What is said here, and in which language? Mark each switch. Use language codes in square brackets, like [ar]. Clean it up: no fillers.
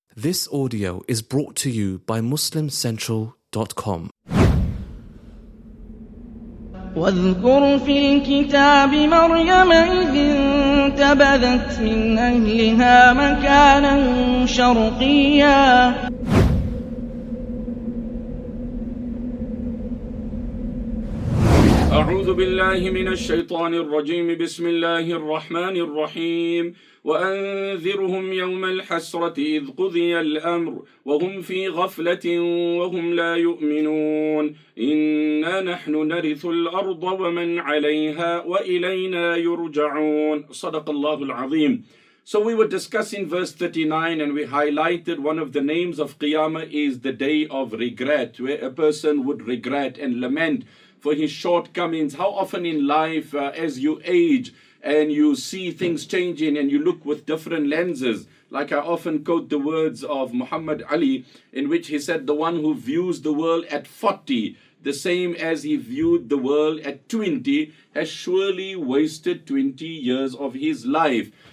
[en] This audio is brought to you by MuslimCentral.com. [ar] واذكر في الكتاب مريم إذ انتبذت من أهلها مكانا شرقيا. أعوذ بالله من الشيطان الرجيم بسم الله الرحمن الرحيم وأنذرهم يوم الحسرة إذ قضي الأمر وهم في غفلة وهم لا يؤمنون إنا نحن نرث الأرض ومن عليها وإلينا يرجعون صدق الله العظيم. [en] So we were discussing verse 39 and we highlighted one of the names of Qiyamah is the day of regret, where a person would regret and lament for his shortcomings. How often in life, as you age and you see things changing and you look with different lenses, like I often quote the words of Muhammad Ali, in which he said, the one who views the world at 40, the same as he viewed the world at 20, has surely wasted 20 years of his life.